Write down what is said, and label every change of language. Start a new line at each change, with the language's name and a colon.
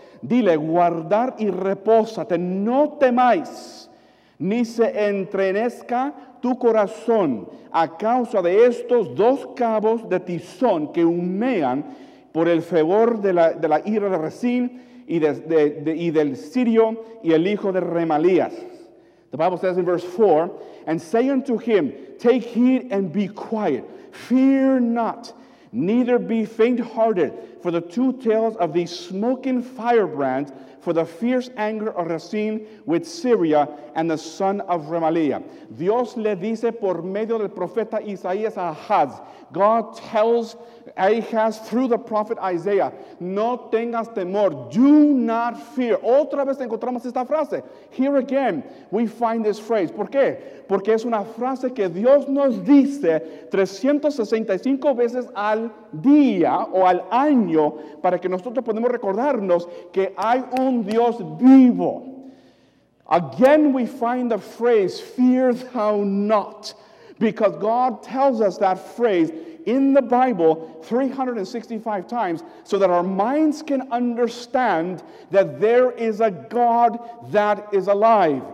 Spanish: Dile, guardar y repósate, no temáis, ni se entrenezca tu corazón a causa de estos dos cabos de tizón que humean por el fervor de la ira de Resín y del Sirio y el hijo de Remalías.
English: The Bible says in verse 4, and say unto him, take heed and be quiet, fear not, neither be faint-hearted, for the two tails of these smoking firebrands, for the fierce anger of Resin with Syria and the son of Remaliah.
Spanish: Dios le dice por medio del profeta Isaías a Ahaz.
English: God tells Ahaz through the prophet Isaiah,
Spanish: no tengas temor,
English: do not fear.
Spanish: Otra vez encontramos esta frase.
English: Here again, we find this phrase.
Spanish: ¿Por qué? Porque es una frase que Dios nos dice 365 veces al día o al año para que nosotros podamos recordarnos que hay un Dios vivo.
English: Again, we find the phrase, fear thou not, because God tells us that phrase in the Bible 365 times so that our minds can understand that there is a God that is alive.